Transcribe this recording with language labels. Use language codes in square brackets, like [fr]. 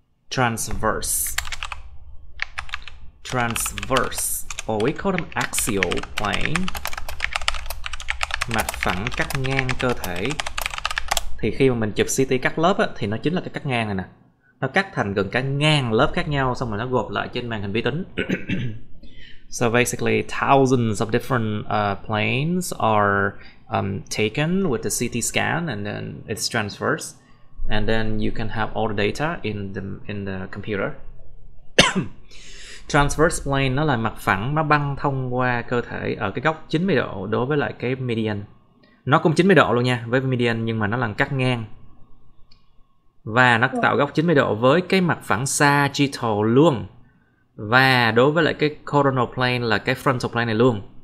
[en] Transverse. Transverse. Or we call them axial plane. [vi] Mặt phẳng cắt ngang cơ thể. Thì khi mà mình chụp CT cắt lớp á, thì nó chính là cái cắt ngang này nè. Nó cắt thành gần cả ngàn lớp khác nhau, xong rồi nó gộp lại trên màn hình vi tính. [en] So basically thousands of different planes are taken with the CT scan, and then it's transverse, and then you can have all the data in the computer. [vi] Transverse plane nó là mặt phẳng nó băng thông qua cơ thể ở cái góc 90 độ đối với lại cái median. Nó cũng 90 độ luôn nha với median, nhưng mà nó là cắt ngang và nó tạo góc 90 độ với cái mặt phẳng sagittal luôn, và đối với lại cái coronal plane là cái frontal plane này luôn.